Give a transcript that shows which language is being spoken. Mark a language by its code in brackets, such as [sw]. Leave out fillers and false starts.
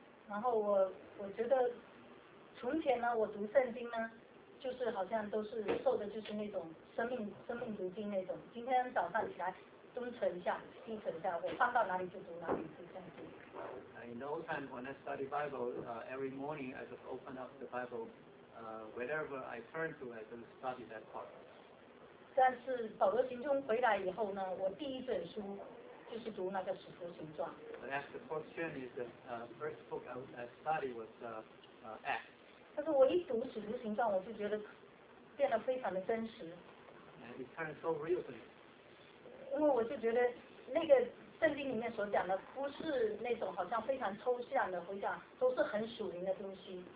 [zh] 然后我觉得从前呢，我读圣经呢，就是好像都是受的就是那种生命读经那种。今天早上起来，蹲沉一下，精神一下，我放到哪里就读哪里，就这样子。 [en] In the old times when I study Bible, every morning I just open up the Bible, wherever I turn to, I just study that part. [zh] 但是保罗行踪回来以后呢，我第一本书就是读那个使徒行传。 [en] After Paul's journey, the first book I studied was Acts. [zh] 但是我一读《使徒行传》，我就觉得变得非常的真实。 [en] And it turned so real to me. [zh] 因为我就觉得那个圣经里面所讲的，不是那种好像非常抽象的，回想都是很属灵的东西。